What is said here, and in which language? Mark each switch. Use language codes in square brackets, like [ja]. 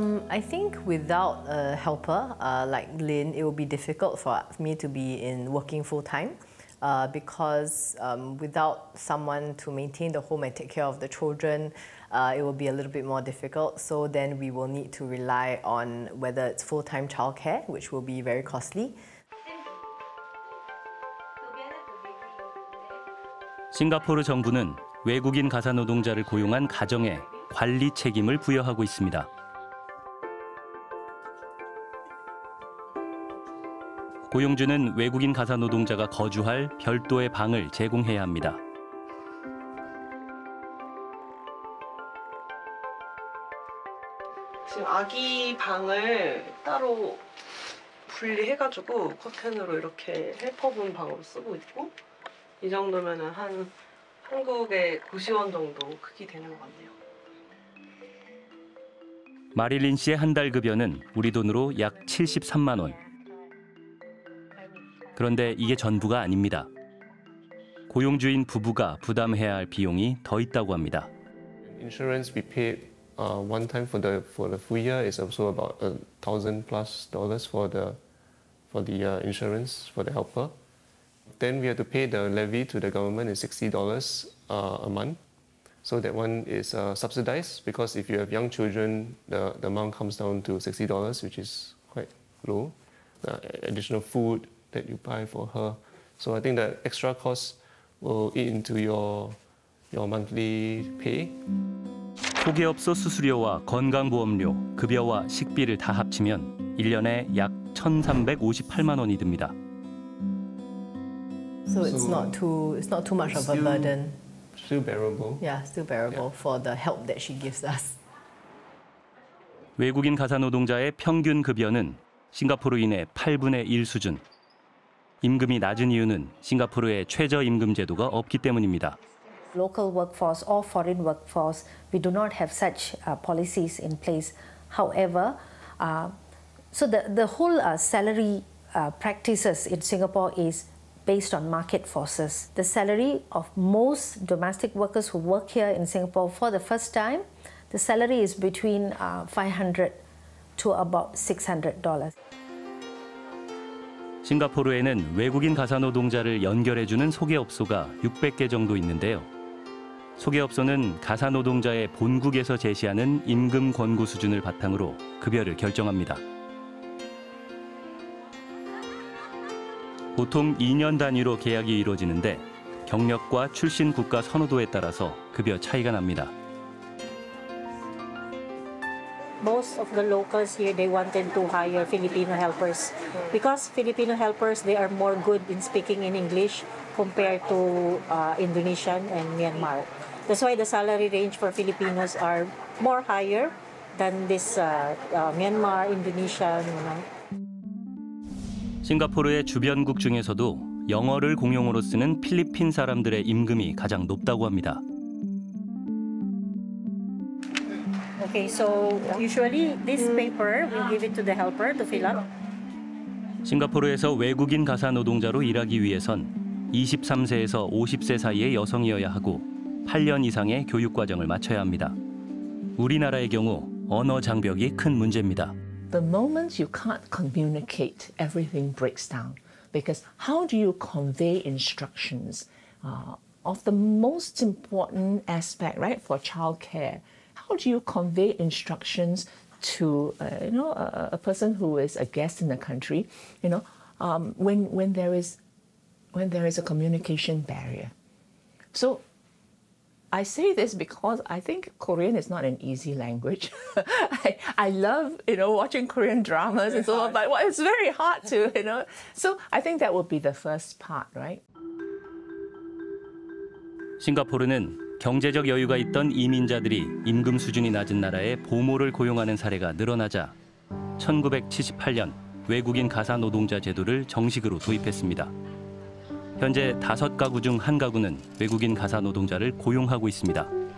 [en] I think without a helper like Lynn, it will be difficult for me to be in working full time because without someone to maintain the home and take care of the children, it will be a little bit more difficult. So then we will need to rely on whether it's full time childcare, which will be very costly. [ko] 싱가포르 정부는 외국인 가사 노동자를 고용한 가정에 관리 책임을 부여하고 있습니다. 고용주는 외국인 가사 노동자가 거주할 별도의 방을 제공해야 합니다. 지금 아기 방을 따로 분리해가지고 커튼으로 이렇게 헬퍼분 방으로 쓰고 있고 이 정도면은 한 한국의 고시원 정도 크기 되는 것 같네요. 마릴린 씨의 한 달 급여는 우리 돈으로 약 73만 원. 그런데 이게 전부가 아닙니다. 고용주인 부부가 부담해야 할 비용이 더 있다고 합니다. [en] Insurance we paid one time for the full year is also about $1,000+ for the insurance for the helper. Then we have to pay the levy to the government is $60 a month. So that one is subsidized because if you have young children, the amount comes down to $60, which is quite low. The additional food that you buy for her. So I think that extra cost will eat into your monthly pay. [ko] 소개업소 수수료와 건강보험료, 급여와 식비를 다 합치면 1년에 약 1,358만 원이 듭니다. [en] So it's not too much of a burden. Still bearable. Yeah, still bearable for the help that she gives us. [ko] 외국인 가사 노동자의 평균 급여는 싱가포르인의 8분의 1 수준. 임금이 낮은 이유는 싱가포르의 최저임금 제도가 없기 때문입니다. [en] Local workforce or foreign workforce, we do not have such policies in place. However, so the whole salary practices in Singapore is based on market forces. The salary of most domestic workers who work here in Singapore for the first time, the salary is between $500 to about $600. [ko] 싱가포르에는 외국인 가사노동자를 연결해주는 소개업소가 600개 정도 있는데요. 소개업소는 가사노동자의 본국에서 제시하는 임금 권고 수준을 바탕으로 급여를 결정합니다. 보통 2년 단위로 계약이 이루어지는데 경력과 출신 국가 선호도에 따라서 급여 차이가 납니다. [en] most of the locals here, they wanted to hire Filipino helpers. Because Filipino helpers, they are more good in speaking in English compared to Indonesian and Myanmar. That's why the salary range for Filipinos are more higher than this Myanmar, Indonesian, you know. [ko] 싱가포르의 주변국 중에서도 영어를 공용어로 쓰는 필리핀 사람들의 임금이 가장 높다고 합니다. [en] Okay, so usually this paper we give it to the helper to fill up. [ko] 싱가포르에서 외국인 가사 노동자로 일하기 위해선 23세에서 50세 사이의 여성이어야 하고 8년 이상의 교육 과정을 마쳐야 합니다. 우리나라의 경우 언어 장벽이 큰 문제입니다. [en] The moment you can't communicate, everything breaks down. Because how do you convey instructions of the most important aspect, right, for childcare? How do you convey instructions to a person who is a guest in the country? You know, when there is a communication barrier. So I say this because I think Korean is not an easy language. I love, you know, watching Korean dramas and so on, but it's very hard to, you know. So I think that would be the first part, right? [ko] 싱가포르는 경제적 여유가 있던 이민자들이 임금 수준이 낮은 나라에 보모를 고용하는 사례가 늘어나자 1978년 외국인 가사 노동자 제도를 정식으로 도입했습니다. 현재 다섯 가구 중 한 가구는 외국인 가사 노동자를 고용하고 있습니다.